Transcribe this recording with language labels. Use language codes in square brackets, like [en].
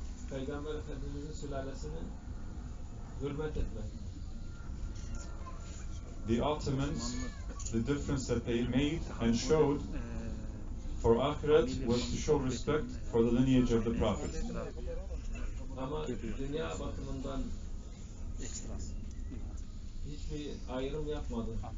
[tr] Peygamber Efendimiz'in sülalesini hürmet etmek. [en] The Ottomans, the difference that they made and showed for ahiret was to show respect for the lineage of the Prophet. [tr] Ama dünya bakımından hiçbir ayrım yapmadı.